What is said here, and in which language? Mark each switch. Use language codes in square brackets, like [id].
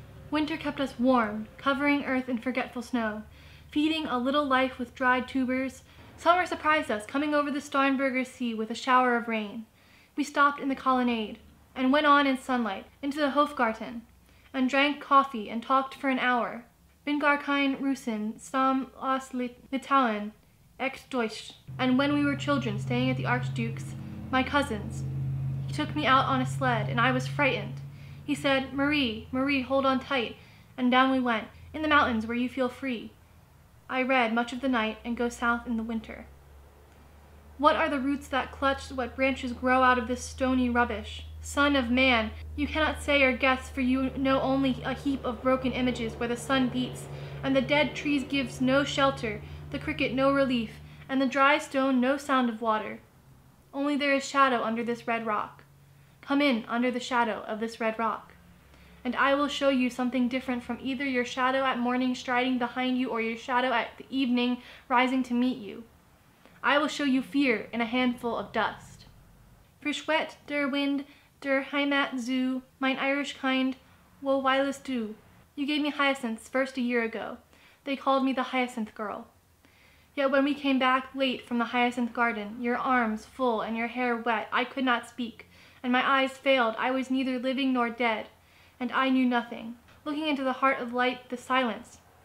[en] Winter kept us warm, covering earth in forgetful snow, feeding a little life with dried tubers. Summer surprised us, coming over the Starnberger Sea with a shower of rain. We stopped in the colonnade and went on in sunlight into the Hofgarten and drank coffee and talked for an hour. [de] Bin gar kein Russen, stamm aus Litauen, echt Deutsch. [en] And when we were children, staying at the Archduke's, my cousins, he took me out on a sled, and I was frightened. He said, Marie, Marie, hold on tight, and down we went, in the mountains where you feel free. I read much of the night and go south in the winter. What are the roots that clutch, what branches grow out of this stony rubbish? Son of man, you cannot say or guess, for you know only a heap of broken images where the sun beats, and the dead trees gives no shelter, the cricket no relief, and the dry stone no sound of water. Only there is shadow under this red rock. Come in under the shadow of this red rock, and I will show you something different from either your shadow at morning striding behind you or your shadow at the evening rising to meet you. I will show you fear in a handful of dust. [de] Frischwet der Wind, der Heimat zu, mein Irish kind, wo weilest du? [en] You gave me hyacinths first a year ago. They called me the hyacinth girl. Yet when we came back late from the hyacinth garden, your arms full and your hair wet, I could not speak, and my eyes failed. I was neither living nor dead, and I knew nothing. Looking into the heart of light, the silence.